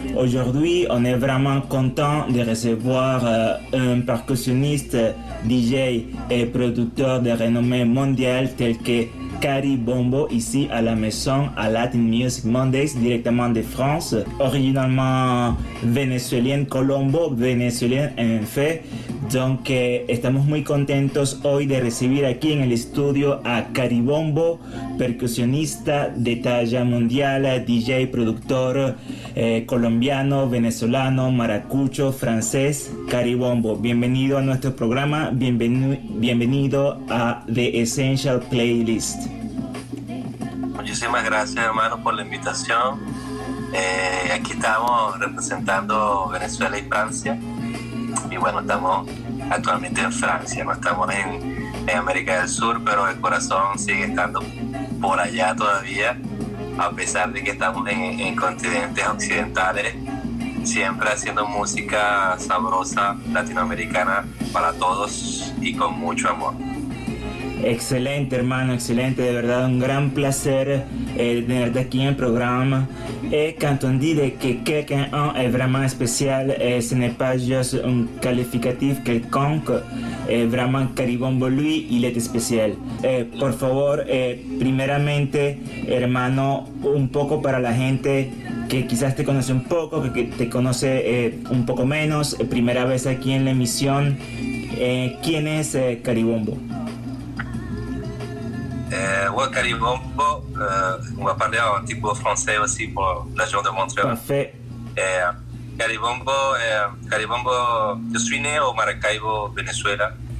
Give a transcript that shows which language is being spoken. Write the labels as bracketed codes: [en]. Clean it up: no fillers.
[fr] Aujourd'hui, on est vraiment content de recevoir un percussionniste, DJ et producteur de renommée mondiale tel que Carrie Bombo ici à la maison à Latin Music Mondays directement de France, originalement vénézuélienne, colombo-vénézuélienne en fait. [es] Donc, estamos muy contentos hoy de recibir aquí en el estudio a Carrie Bombo, percusionista de talla mundial, DJ, productor colombiano, venezolano, maracucho, francés. Carrie Bombo, bienvenido a nuestro programa, bienvenido a The Essential Playlist. Muchísimas gracias, hermano, por la invitación. Aquí estamos representando Venezuela y Francia. Y bueno, estamos actualmente en Francia, no estamos en América del Sur, pero el corazón sigue estando por allá todavía, a pesar de que estamos en continentes occidentales, siempre haciendo música sabrosa latinoamericana para todos y con mucho amor. Excelente, hermano, excelente, de verdad, un gran placer tenerte aquí en el programa. [fr] Et quand on dit que quelqu'un est vraiment spécial, ce n'est pas juste un qualificatif quelconque, et vraiment Carrie Bombo, lui, il est spécial. [es] Por favor, primeramente, hermano, un poco para la gente que quizás te conoce un poco, que te conoce un poco menos, primera vez aquí en la emisión, ¿quién es Carrie Bombo? [fr] Carrie Bombo, on va parler un petit peu français aussi pour la région de Montréal. Parfait. Carrie Bombo, je suis né au Maracaibo, Venezuela.